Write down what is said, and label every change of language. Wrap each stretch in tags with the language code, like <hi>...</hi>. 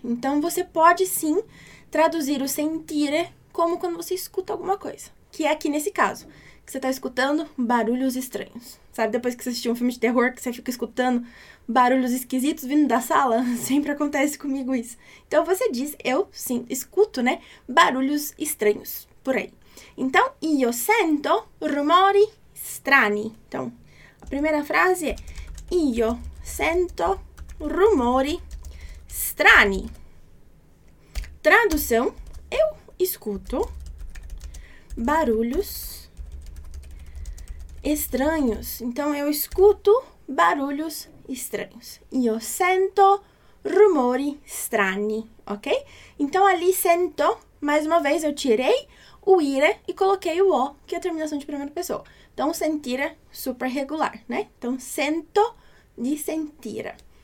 <pt>Então, você pode sim traduzir o sentire como quando você escuta alguma coisa, que é aqui nesse caso, que você está escutando barulhos estranhos. Sabe, depois que você assistiu um filme de terror, que você fica escutando barulhos esquisitos vindo da sala? Sempre acontece comigo isso. Então, você diz, eu sim, escuto, né? Barulhos estranhos por aí. Então,</pt> <it>io sento rumori strani.</it> <pt>Então, a primeira frase è</pt> <it>io sento rumori strani.</it> <pt>Tradução: eu escuto barulhos estranhos. Então, eu escuto barulhos estranhos.</pt> <it>Io sento rumori strani, ok?</it> <pt>Então, ali sento, mais uma vez eu tirei o ire e coloquei o O, que é a terminação de primeira pessoa. Então, sentire, super regular, né? Então,</pt> <it>sento di sentire.</it>